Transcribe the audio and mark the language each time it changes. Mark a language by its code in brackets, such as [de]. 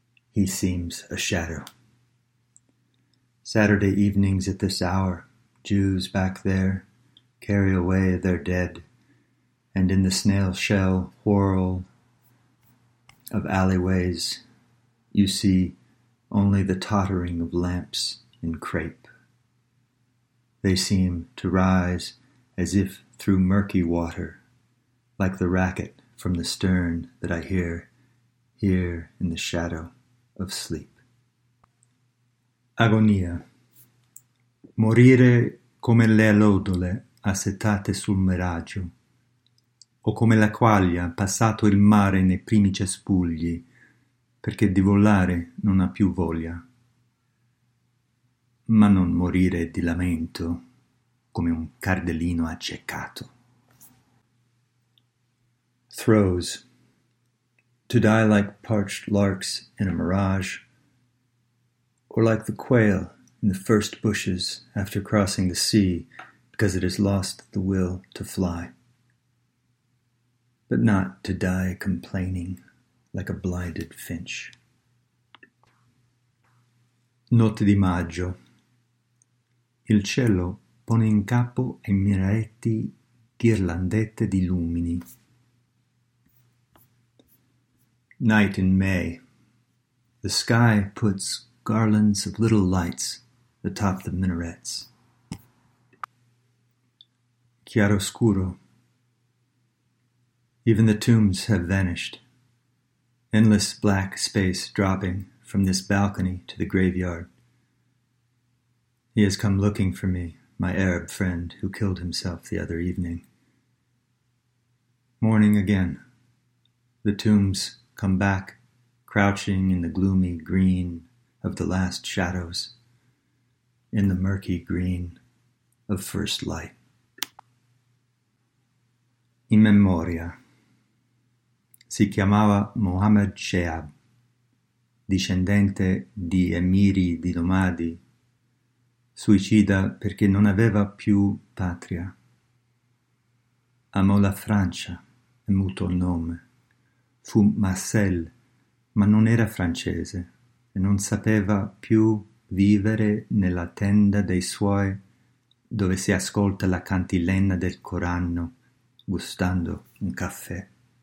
[en] He seems a shadow. Saturday evenings at this hour, Jews back there carry away their dead, and in the snail shell whorl of alleyways, you see only the tottering of lamps in crepe. They seem to rise as if through murky water, like the racket from the stern that I hear here in the shadow of sleep. [it] Agonia. Morire come le allodole assetate sul miraggio, o come la quaglia passato il mare nei primi cespugli, perché di volare non ha più voglia. Ma non morire di lamento, come un cardellino accecato. [en] Throes. To die like parched larks in a mirage, or like the quail in the first bushes after crossing the sea because it has lost the will to fly. But not to die complaining like a blinded finch. [it] Notte di maggio. Il cielo pone in capo ai miraetti ghirlandette di lumini. [en] Night in May. The sky puts garlands of little lights atop the minarets. [it] Chiaroscuro. [en] Even the tombs have vanished. Endless black space dropping from this balcony to the graveyard. He has come looking for me, my Arab friend who killed himself the other evening. Morning again. The tombs come back, crouching in the gloomy green of the last shadows, in the murky green of first light. [it] In memoria. si chiamava Mohammed Shehab, discendente di emiri di nomadi, suicida perché non aveva più patria. Amò la Francia e mutò il nome. Fu Marcel, ma non era francese e non sapeva più vivere nella tenda dei suoi dove si ascolta la cantilena del Corano gustando un caffè.